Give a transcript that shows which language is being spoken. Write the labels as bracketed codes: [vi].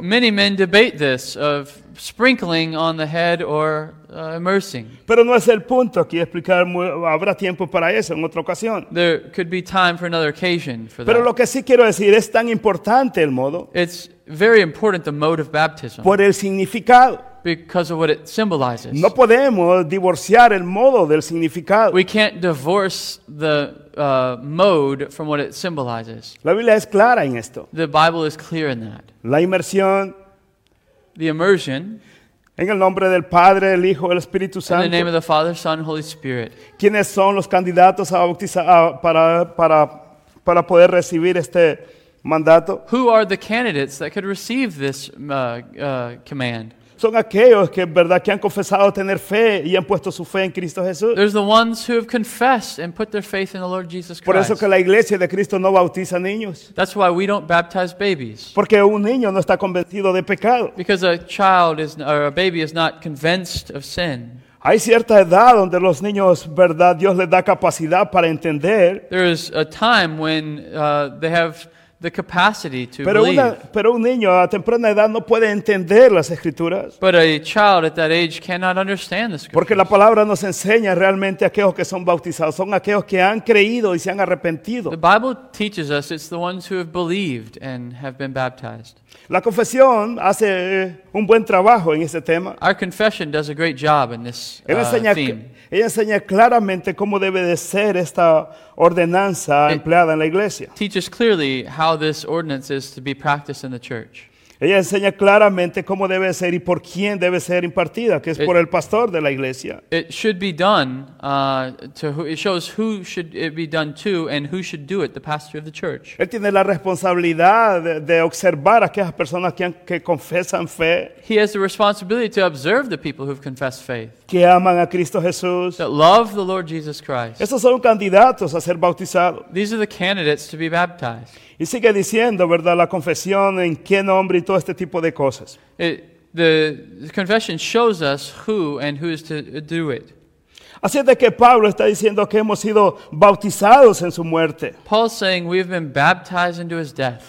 [en] Many men debate this of sprinkling on the head or immersing. [es] Pero no es el punto aquí explicar, habrá tiempo para eso en otra ocasión. [en] There could be time for another occasion for that. [es] Pero lo que sí quiero decir es tan importante el modo. [en] It's very important the mode of baptism. [es] Por el significado. [en] Because of what it symbolizes. [es] No podemos divorciar el modo del significado. [en] We can't divorce the mode from what it symbolizes. [es] La Biblia es clara en esto. [en] The Bible is clear in that. [es] La inmersión. [en] The immersion. [es] En el nombre del Padre, el Hijo, el Espíritu Santo. [en] In the name of the Father, Son, Holy Spirit. [es] ¿Quiénes son los candidatos a bautizar para poder recibir este mandato? [en] Who are the candidates that could receive this command? [es] Son aquellos que, verdad, que han confesado tener fe y han puesto su fe en Cristo Jesús. [en] There's the ones who have confessed and put their faith in the Lord Jesus Christ. [es] Por eso que la iglesia de Cristo no bautiza niños. [en] That's why we don't baptize babies. [es] Porque un niño no está convencido de pecado. [en] Because a child is, or a baby is not convinced of sin. [es] Hay cierta edad donde los niños, verdad, Dios les da capacidad para entender. [en] There is a time when they have the capacity to believe. [es] Pero un niño a temprana edad no puede entender las escrituras. [en] But a child at that age cannot understand the scriptures. [es] Porque la palabra nos enseña realmente aquellos que son bautizados, son aquellos que han creído y se han arrepentido. [en] The Bible teaches us it's the ones who have believed and have been baptized. [es] La confesión hace un buen trabajo en ese tema. [en] Our confession does a great job in this theme. [es] Ella enseña claramente cómo debe de ser esta ordenanza empleada en la iglesia. [en] Teaches clearly how this ordinance is to be practiced in the church. [es] Ella enseña claramente cómo debe ser y por quién debe ser impartida, que es por el pastor de la iglesia. [en] It should be done to who, it shows who should it be done to and who should do it, the pastor of the church. [es] Él tiene la responsabilidad de observar a aquellas personas que confesan fe. [en] He has the responsibility to observe the people who've confessed faith. [es] Que aman a Cristo Jesús. [en] That love the Lord Jesus Christ. [es] Esos son candidatos a ser bautizados. [en] These are the candidates to be baptized. [es] Y sigue diciendo, ¿verdad?, la confesión, en qué nombre y todo este tipo de cosas. [en] The confession shows us who and who is to do it. [es] Así es de que Pablo está diciendo que hemos sido bautizados en su muerte. [en] Paul's saying we've been baptized into his death.